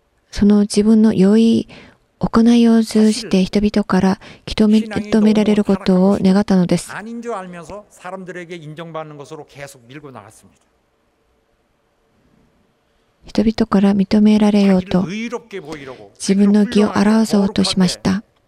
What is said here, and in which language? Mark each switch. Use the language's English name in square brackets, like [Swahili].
[Japanese] その自分の良い行いを通じて人々から認められることを願ったのです。 [Korean] 아닌줄알면서사람들에게인정받는것으로계속밀고나갔습니다 [Japanese] 人々から認められようと自分の義を表そうとしました。